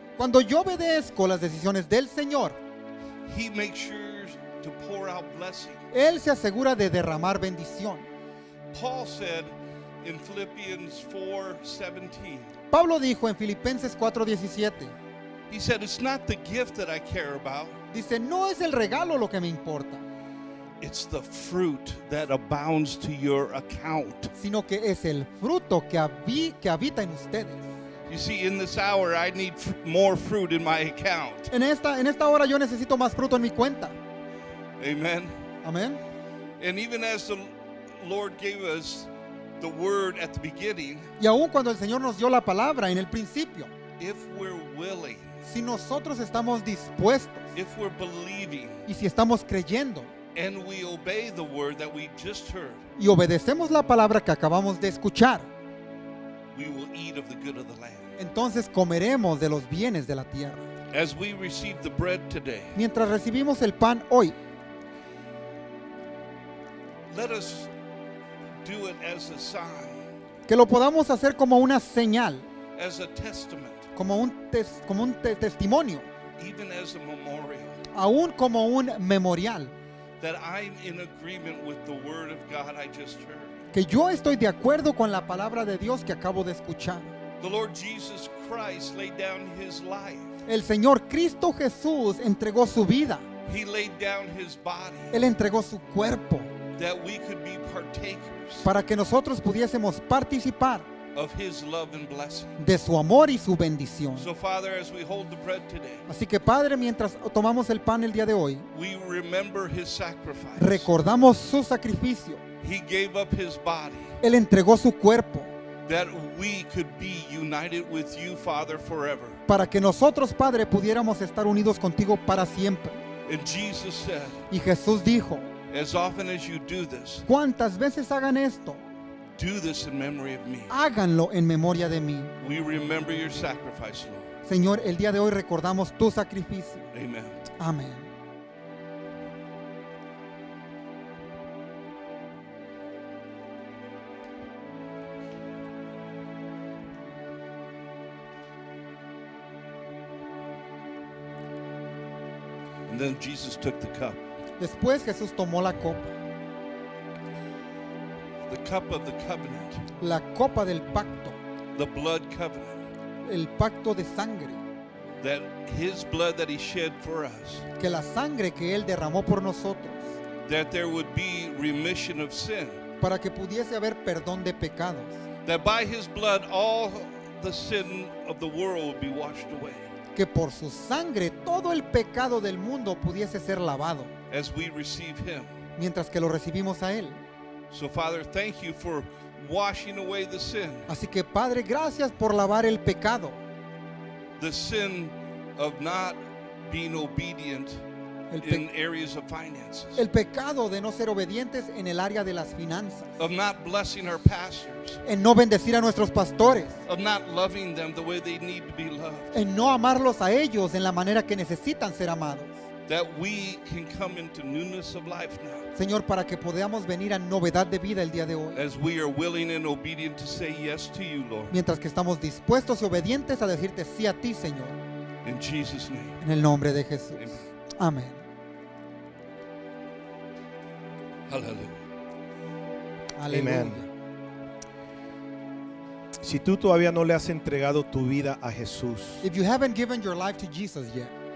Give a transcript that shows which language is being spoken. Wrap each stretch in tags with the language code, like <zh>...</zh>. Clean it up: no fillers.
<es>cuando yo obedezco las decisiones del Señor,</es> <en>He makes sure to pour out blessing.</en> <es>Él se asegura de derramar bendición.</es> <en>Paul said in Philippians 4:17.</en> <es>Pablo dijo en Filipenses 4:17.</es> <en>He said, "It's not the gift that I care about."</en> <es>Dice, no es el regalo lo que me importa.</es> <en>It's the fruit that abounds to your account.</en> <es>Sino que es el fruto que habita en ustedes.</es> <en>You see, in this hour, I need more fruit in my account.</en> <es>En esta hora yo necesito más fruto en mi cuenta.</es> <en>Amen.</en> <es>Amen.</es> <en>And even as the Lord gave us the word at the beginning.</en> <es>Y aun cuando el Señor nos dio la palabra en el principio.</es> <en>If we're willing.</en> <es>Si nosotros estamos dispuestos.</es> <en>If we're believing.</en> <es>Y si estamos creyendo.</es> <en>And we obey the word that we just heard.</en> <es>Y obedecemos la palabra que acabamos de escuchar.</es> <en>We will eat of the good of the land.</en> <es>Entonces comeremos de los bienes de la tierra.</es> <en>As we receive the bread today.</en> <es>Mientras recibimos el pan hoy.</es> <en>Let us do it as a sign.</en> <es>Que lo podamos hacer como una señal.</es> <en>As a testament.</en> <es>Como un testimonio.</es> <en>Even as a memorial.</en> <es>Aún como un memorial.</es> <en>That I'm in agreement with the word of God I just heard.</en> <es>Que yo estoy de acuerdo con la palabra de Dios que acabo de escuchar.</es> <en>The Lord Jesus Christ laid down his life.</en> <es>El Señor Cristo Jesús entregó su vida.</es> <en>He laid down his body.</en> <es>Él entregó su cuerpo.</es> <en>That we could be partakers.</en> <es>Para que nosotros pudiésemos participar</es> <en>of his love and blessing.</en> <es>De su amor y su bendición.</es> <en>So Father, as we hold the bread today,</en> <es>así que Padre, mientras tomamos el pan el día de hoy,</es> <en>we remember his sacrifice.</en> <es>Recordamos su sacrificio.</es> <en>He gave up his body.</en> <es>Él entregó su cuerpo.</es> <en>That we could be united with you, Father, forever.</en> <es>Para que nosotros, Padre, pudiéramos estar unidos contigo para siempre.</es> <en>And Jesus said,</en> <es>y Jesús dijo,</es> <en>as often as you do this,</en> <es>cuántas veces hagan esto,</es> <en>do this in memory of me.</en> <es>Háganlo en memoria de mí.</es> <en>We remember your sacrifice, Lord.</en> <es>Señor, el día de hoy recordamos tu sacrificio.</es> <en>Amen.</en> <es>Amén.</es> <en>And then Jesus took the cup.</en> <es>Después Jesús tomó la copa.</es> <en>The cup of the covenant.</en> <es>La copa del pacto.</es> <en>The blood covenant.</en> <es>El pacto de sangre.</es> <en>That his blood that he shed for us.</en> <es>Que la sangre que él derramó por nosotros.</es> <en>That there would be remission of sin.</en> <es>Para que pudiese haber perdón de pecados.</es> <en>That by his blood all the sin of the world would be washed away.</en> <es>Que por su sangre todo el pecado del mundo pudiese ser lavado.</es> <en>As we receive him.</en> <es>Mientras que lo recibimos a él.</es> <en>So Father, thank you for washing away the sin.</en> <es>Así que Padre, gracias por lavar el pecado.</es> <en>The sin of not being obedient in areas of finances.</en> <es>El pecado de no ser obedientes en el área de las finanzas.</es> <en>Of not blessing our pastors.</en> <es>En no bendecir a nuestros pastores.</es> <en>Of not loving them the way they need to be loved.</en> <es>En no amarlos a ellos en la manera que necesitan ser amados.</es> <en>That we can come into newness of life now.</en> <es>Señor, para que podamos venir a novedad de vida el día de hoy.</es> <en>As we are willing and obedient to say yes to you, Lord.</en> <es>Mientras que estamos dispuestos y obedientes a decirte sí a ti, Señor.</es> <en>In Jesus' name.</en> <es>En el nombre de Jesús. Amen. Amen. Hallelujah. Amen. Si tú todavía no le has entregado tu vida a Jesús.</es> <en>If you haven't given your life to Jesus yet.</en>